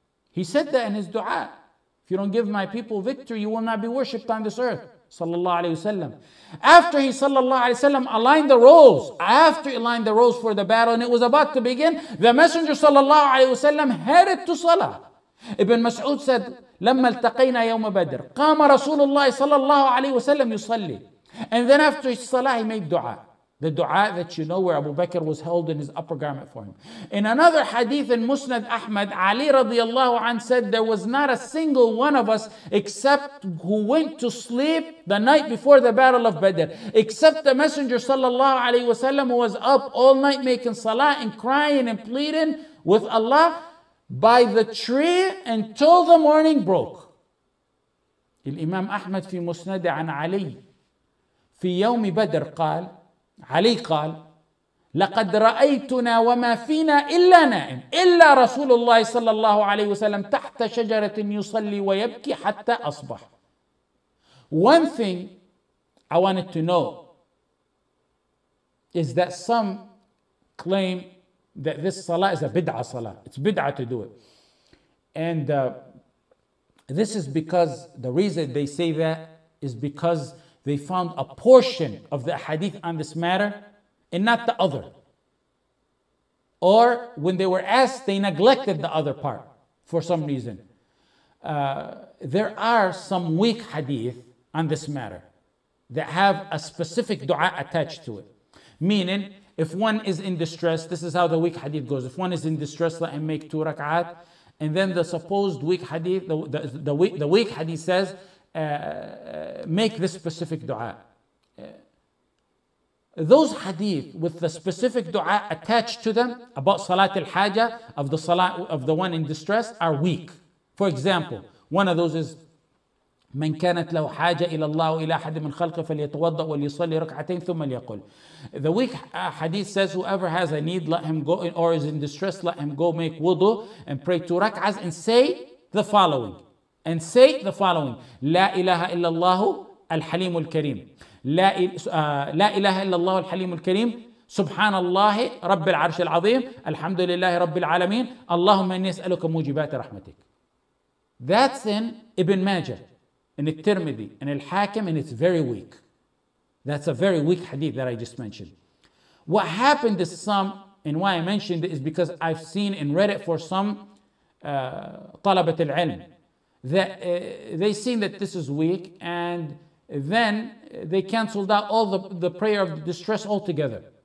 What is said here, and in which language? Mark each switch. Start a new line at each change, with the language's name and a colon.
English: He said that in his dua. If you don't give my people victory, you will not be worshipped on this earth. Sallallahu alayhi wa sallam. After he, sallallahu alayhi wa sallam, aligned the roles, after he aligned the roles for the battle and it was about to begin, the Messenger, sallallahu alayhi wa sallam, headed to salah. Ibn Mas'ud said,
Arabic: لَمَّا الْتَقَيْنَا يَوْمَ بَدْرِ قَامَ رَسُولُ اللَّهِ صَلَّى اللَّهُ عَلَيْهِ وَسَلَّمْ يُصَلِّي.
English: And then after his salah, he made dua. The dua that you know where Abu Bakr was held in his upper garment for him. In another hadith in Musnad Ahmad, Ali radiallahu anh said, there was not a single one of us except who went to sleep the night before the battle of Badr. Except the Messenger sallallahu alayhi wasallam, who was up all night making salah and crying and pleading with Allah by the tree until the morning broke. Imam Ahmad fi Musnad an Ali
Arabic: في يوم بدر قال علي قال لقد رأيتنا وما فينا إلا نائم إلا رسول الله صلى الله عليه وسلم تحت شجرة يصلي ويبكي حتى أصبح.
English: One thing I wanted to know is that some claim that this salah is a bid'ah salah. It's bid'ah to do it. And this is because the reason they say that is because they found a portion of the hadith on this matter and not the other. Or when they were asked, they neglected the other part for some reason. There are some weak hadith on this matter that have a specific dua attached to it. Meaning, if one is in distress, this is how the weak hadith goes. If one is in distress, let him make two rak'at. And then the supposed weak hadith, the weak hadith says, make this specific dua. Those hadith with the specific dua attached to them about salat al-haja, of the salat of the one in distress, are weak. For example, one of those is
Arabic: من كانت له حاجة إلى الله إلى أحد من خلقه فليتوضأ وليصلي ركعتين ثم ليقل.
English: The weak hadith says, whoever has a need, let him go, or is in distress, let him go make wudu and pray two rak'ahs and say the following. And say the following.
Arabic: لا إله إلا الله الحليم الكريم. لا إله إلا الله الحليم الكريم. سبحان الله رب العرش العظيم. الحمد لله رب العالمين. اللهم إني أسألك موجبات رحمتك.
English: That's in Ibn Majah. In al-Tirmidhi, in al-Hakim, and it's very weak. That's a very weak hadith that I just mentioned. What happened to some, and why I mentioned it, is because I've seen and read it for some talabat al-ilm, that they've seen that this is weak, and then they canceled out all the prayer of distress altogether.